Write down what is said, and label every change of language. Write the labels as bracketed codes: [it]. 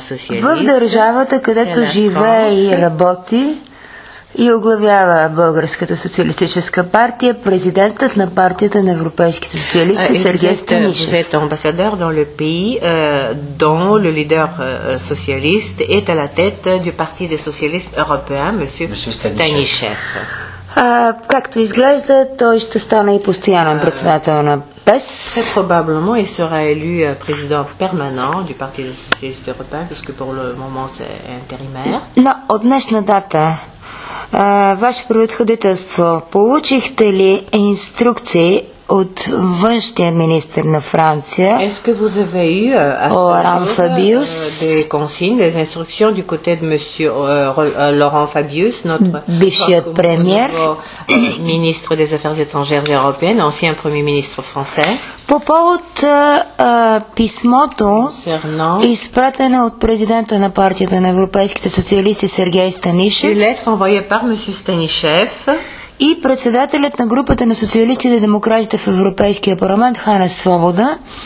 [bg] в държавата, където живее и работи и оглавява Българската социалистическа партия, президентът на партията на европейските социалисти Сергей Станишев. [fr] Vous êtes ambassadeur dans le pays dont le leader socialiste est à la tête du Parti des Socialistes Européens, monsieur Станишев. [bg] Както изглежда, той ще стане и постоянен председател на ПЕС. [fr] Très probablement il sera élu président permanent du Parti des Socialistes Européens puisque pour le moment c'est intérimaire. [bg] Но от днешна дата ваше правителство, получихте ли инструкции от външния министър на Франция? [fr] Est-ce que vous avez eu Laurent Fabius? Des consignes, des instructions du côté de monsieur Laurent Fabius, notre premier ministre des Affaires étrangères européennes, ancien premier ministre français? [bg] По повод писмото, изпратено от президента на партията на европейските социалисти Сергей Станишев, [fr] lettre envoyée par monsieur Станишев, [bg] и председателят на групата на социалистите и демократите в Европейския парламент Ханес Свобода,